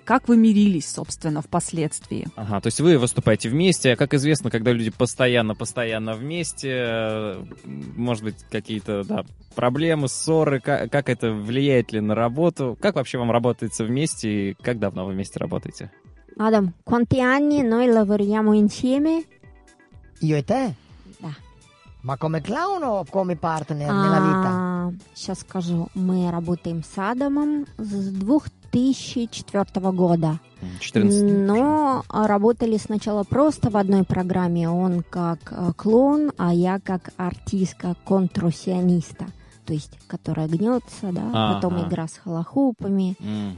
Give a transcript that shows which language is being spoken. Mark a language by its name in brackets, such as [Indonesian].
[Russian] Как вы мирились, собственно, впоследствии? Ага, то есть вы выступаете вместе. А как известно, когда люди постоянно-постоянно вместе, может быть, какие-то да, проблемы, ссоры, как это влияет ли на работу? Как вообще вам работается вместе и как давно вы вместе работаете? [Italian] Адам, quanti anni noi lavoriamo insieme? Io e te? [Russian] Да. [Italian] Ma come clown o come partner nella vita? [Russian] Сейчас скажу, мы работаем с Адамом с 2004 года. 14. Но работали сначала просто в одной программе. Он как клоун, а я как артистка контрсиониста. То есть, которая гнется, да? А-га. Потом игра с халахупами, угу.